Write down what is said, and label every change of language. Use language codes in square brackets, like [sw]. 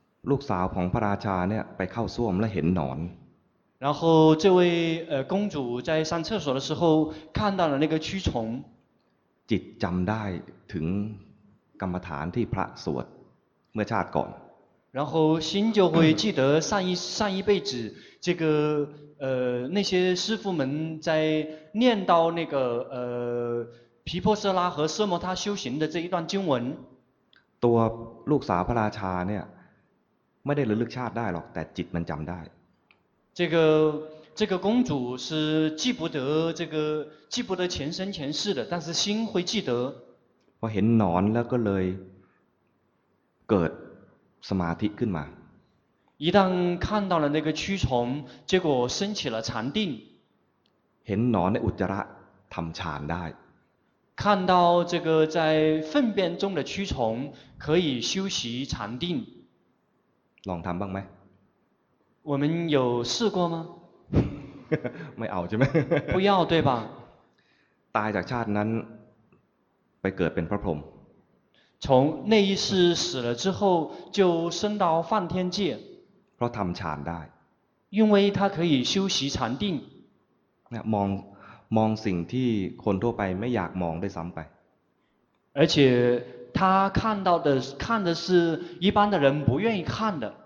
[th] ลูกสาวของพระราชาเนี่ยไปเข้าส้วมแล้วเห็นหนอน [zh] 然后这位公主在上厕所的时候看到了那个蛆虫 [th] จิตจำได้ถึงกรรมฐานที่พระสวดเมื่อชาติก่อน [zh] 然后心就会记得上一辈子这个那些师父们在念到那个毗婆舍拉和奢摩他修行的这一段经文 [th] ตัวลูกสาวพระราชาเนี่ยไม่ได้ระลึกชาติได้หรอกแต่จิตมันจำได้ [zh] 这个公主是记不得这个记不得前生前世的，但是心会记得。 [th] 我เห็นนอนแล้วก็เลยเกิดสมาธิขึ้นมา。 [zh] 一旦看到了那个蛆虫，结果升起了禅定。 [th] เห็นนอนในอุจจาระทำฌานได้。 [zh] 看到这个在粪便中的蛆虫，可以修习禅定。 [th] ลองทำบ้างไหม？ [zh] 我们有试过吗？ [th] ไม่เอาใช่ไหม？ [zh] 不要对吧？ [th] ตายจากชาตินั้นไปเกิดเป็นพระพรหม。 [zh] 从那一世死了之后，就升到梵天界。 [th] เพราะทำฌานได้。 [zh] 因为他可以修习禅定。 [th] มองสิ่งที่คนทั่วไปไม่อยากมองได้ซ้ำไป。 [zh] 而且他看的是一般的人不愿意看的。